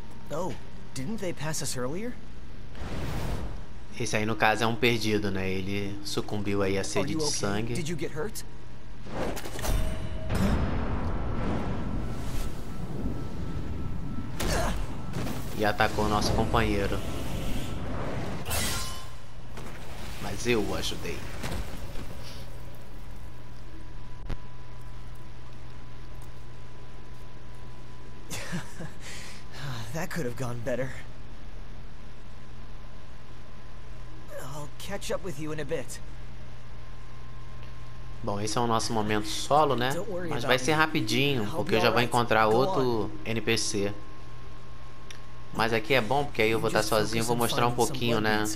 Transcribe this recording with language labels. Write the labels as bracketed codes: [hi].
[en] Oh, didn't they pass us earlier? [pt] Esse aí, no caso, é um perdido, né? Ele sucumbiu aí à sede de sangue. [en] Did you get hurt? [pt] E atacou o nosso companheiro. Mas eu o ajudei. [en] That could have gone better. Catch up with you in a bit. [pt] Bom, esse é o nosso momento solo, né? Mas vai ser rapidinho, porque eu já vou encontrar outro NPC. Mas aqui é bom, porque aí eu vou estar sozinho e vou mostrar um pouquinho, né?